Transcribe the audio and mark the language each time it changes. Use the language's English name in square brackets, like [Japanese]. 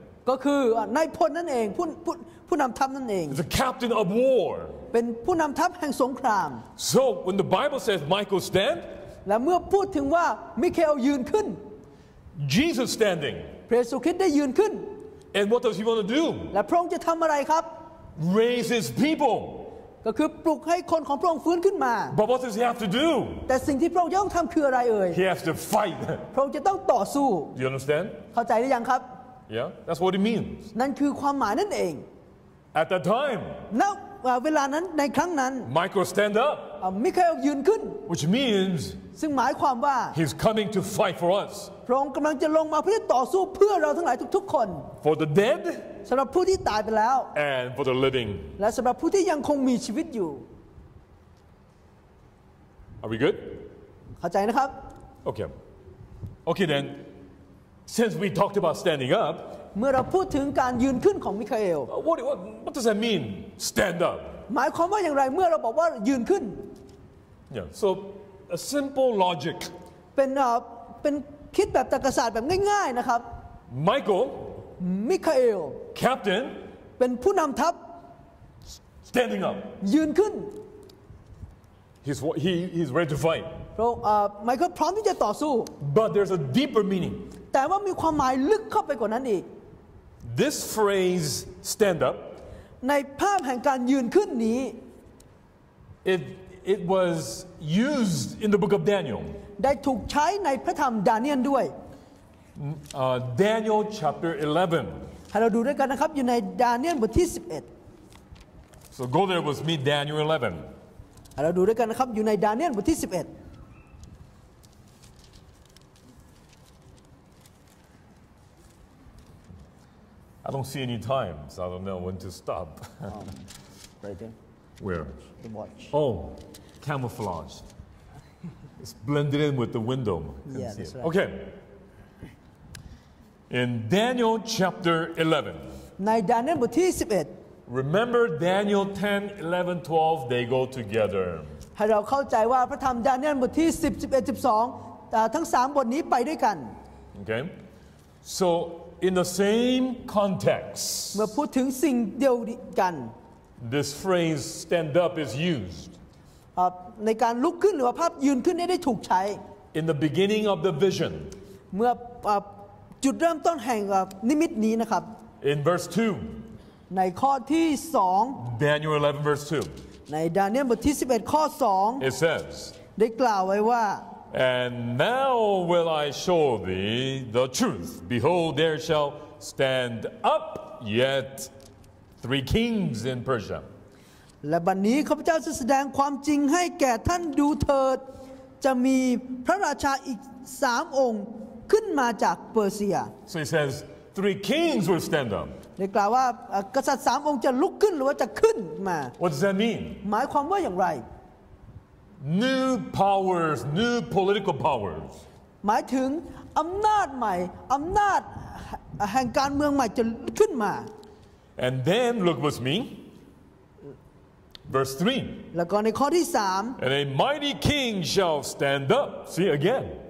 [Thai] ก็คือนายพลนั่นเองผู้นำทัพนั่นเอง [English] He's a captain of war. [Thai] เป็นผู้นำทัพแห่งสงคราม [English] So when the Bible says Michael stand, [Thai] และเมื่อพูดถึงว่ามิคาเอลยืนขึ้น [English] Jesus standing. [Thai] พระเยซูคริสต์ได้ยืนขึ้น [English] And what does he want to do? [Thai] และพระองค์จะทำอะไรครับ [English] Raise his people. [Thai] ก็คือปลุกให้คนของพระองค์ฟื้นขึ้นมา [English] But what does he have to do? [Thai] แต่สิ่งที่พระองค์ย่อมทำคืออะไรเอ่ย [English] He has to fight. [Thai] พระองค์จะต้องต่อสู้ [English] Do you understand? [Thai] เข้าใจหรือยังครับ [English] Yeah, that's what it means. [Thai] นั่นคือความหมายนั่นเอง [English] At that time. [Thai] No, เวลานั้นในครั้งนั้น [English] Michael stand up [Thai] มิคาเอลยืนขึ้น [English] which means [Thai] ซึ่งหมายความว่า [English] he's coming to fight for us [Thai] พระองค์กำลังจะลงมาเพื่อต่อสู้เพื่อเราทั้งหลายทุกๆคน [English] for the dead [Thai] สำหรับผู้ที่ตายไปแล้ว [English] and for the living [Thai] และสำหรับผู้ที่ยังคงมีชีวิตอยู่ [English] are we good [Thai] เข้าใจนะครับ [English] okay then since we talked about standing up [Thai] เมื่อเราพูดถึงการยืนขึ้นของมิคาเอล [English] What does that mean? Stand up. [Thai] หมายความว่าอย่างไรเมื่อเราบอกว่ายืนขึ้น [English] Yeah. So a simple logic. [Thai] เป็นคิดแบบตรรกศาสตร์แบบง่ายๆนะครับ [English] Michael. [Thai] มิคาเอล [English] Captain. [Thai] เป็นผู้นำทัพ [English] Standing up. [Thai] ยืนขึ้น [English] He's ready to fight. [Thai] Michael พร้อมที่จะต่อสู้ [English] But there's a deeper meaning. [Thai] แต่ว่ามีความหมายลึกเข้าไปกว่านั้นอีก [English] This phrase stand up [Thai] ในภาพแห่งการยืนขึ้นนี้ [English] it was used in the book of Daniel [Thai] ได้ถูกใช้ในพระธรรมดาเนียลด้วย [English] Daniel chapter 11 [Thai] ให้เราดูด้วยกันนะครับอยู่ในดาเนียลบทที่11 [English] So go there with me Daniel 11 [Thai] ให้เราดูด้วยกันนะครับอยู่ในดาเนียลบทที่11 [English] I don't see any time, so I don't know when to stop. right there. Where? The watch. Oh, camouflage. It's blended in with the window. Yeah, that's right. Okay. In Daniel chapter 11. [Thai] ในดาเนียลบทที่11. [English] Remember Daniel 10, 11, 12, they go together. [Thai] ให้เราเข้าใจว่าพระธรรมดาเนียลบทที่10, 11, 12, ทั้ง3บทนี้ไปด้วยกัน. [English] Okay. So,In the same context, [Thai] เมื่อพูดถึงสิ่งเดียวกัน [English] this phrase "stand up" is used. [Thai] ในการลุกขึ้นหรือภาพยืนขึ้นนี้ได้ถูกใช้ [English] In the beginning of the vision, [Thai] เมื่อจุดเริ่มต้นแห่งนิมิตนี้นะครับ [English] In verse 2, [Thai] ในข้อที่สอง [English] Daniel 11 verse 2, [Thai] ในดาเนียลบทที่สิบเอ็ดข้อสอง [English] It says, [Thai] ได้กล่าวไว้ว่า [English] And now will I show thee the truth. Behold, there shall stand up yet three kings in Persia. [Thai] และบัดนี้ข้าพเจ้าจะแสดงความจริงให้แก่ท่านดูเถิดจะมีพระราชาอีก3องค์ขึ้นมาจากเปอร์เซีย [English] So he says three kings will stand up. [Thai] ได้กล่าวว่ากษัตริย์3องค์จะลุกขึ้นหรือว่าจะขึ้นมา [English] What does that mean? [Thai] หมายความว่าอย่างไร [English] New powers, new political powers. [Thai] หมายถึงอำนาจใหม่อำนาจแห่งการเมืองใหม่จะขึ้นมา [English] And then look with me. Verse 3. [Thai] แล้วก็ในข้อที่3. [English] And a mighty king shall stand up. See again.